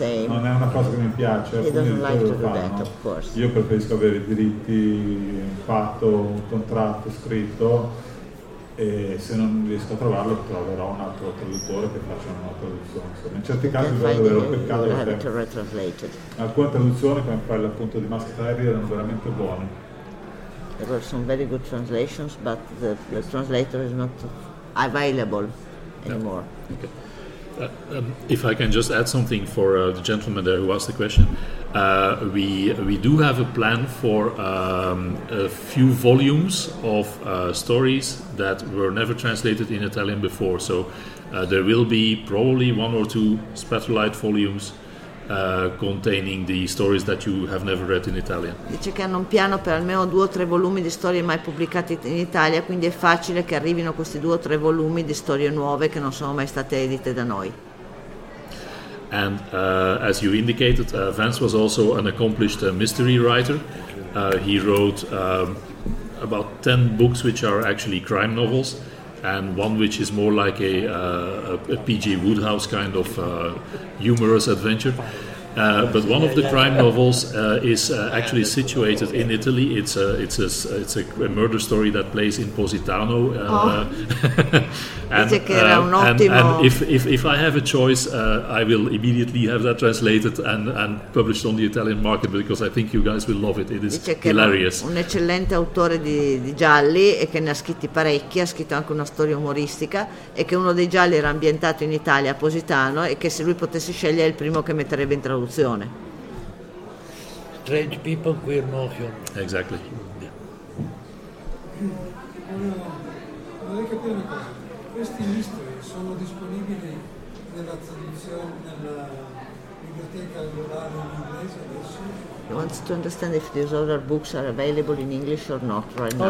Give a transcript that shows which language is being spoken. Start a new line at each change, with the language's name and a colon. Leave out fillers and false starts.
Italian: Non è una cosa che mi piace, quindi non lo fanno. Io preferisco avere i diritti, fatto un contratto scritto, e se non riesco a trovarlo troverò un altro traduttore che faccia una nuova traduzione. Insomma, in certi casi è davvero peccato, perché alcune traduzioni, come quella appunto di Mask Tyree, erano veramente buone.
English: There were some very good translations, but the translator is not available anymore. If I can just add something for the gentleman there who asked the question, we do have a plan for a few volumes of stories that were never translated in Italian before. So there will be probably one or two Spectralite volumes containing the stories that you have never read in Italian.
Italian: Dice che hanno un piano per almeno due o tre volumi di storie mai pubblicate in Italia, quindi è facile che arrivino questi due o tre volumi di storie nuove che non sono mai state edite da noi.
English: And as you indicated, Vance was also an accomplished mystery writer. He wrote about 10 books which are actually crime novels, and one which is more like a P.G. Woodhouse kind of humorous adventure. But one of the crime novels is actually situated in Italy. It's a murder story that plays in Positano. And if I have a choice, I will immediately have that translated and published on the Italian market, because I think you guys will love it. It is hilarious.
Italian: Un eccellente autore di gialli, e che ne ha scritti parecchi, ha scritto anche una storia umoristica, e che uno dei gialli era ambientato in Italia, a Positano, e che se lui potesse scegliere è il primo che metterebbe in traduzione.
English: Strange people, queer motion. Exactly.
Italian: Allora, vorrei capire una cosa. Questi mystery sono disponibili nella traduzione, nella biblioteca regolare in inglese adesso?
English: He wants to understand if these other books are available in English or not right now.